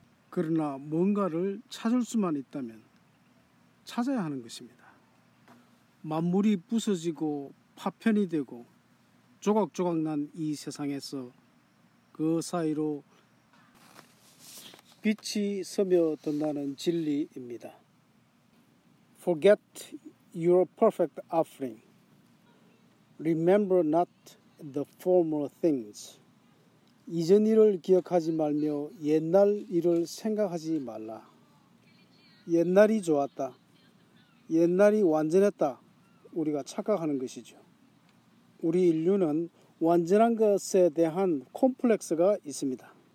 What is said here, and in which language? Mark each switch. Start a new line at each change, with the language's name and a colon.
Korean: 그러나 뭔가를 찾을 수만 있다면 찾아야 하는 것입니다. 만물이 부서지고 파편이 되고 조각조각 난 이 세상에서 그 사이로 빛이 스며든다는 진리입니다.
English: Forget your perfect offering. Remember not the former things.
Korean: 이전 일을 기억하지 말며 옛날 일을 생각하지 말라. 옛날이 좋았다. 옛날이 완전했다. 우리가 착각하는 것이죠. 우리 인류는 완전한 것에 대한 콤플렉스가 있습니다.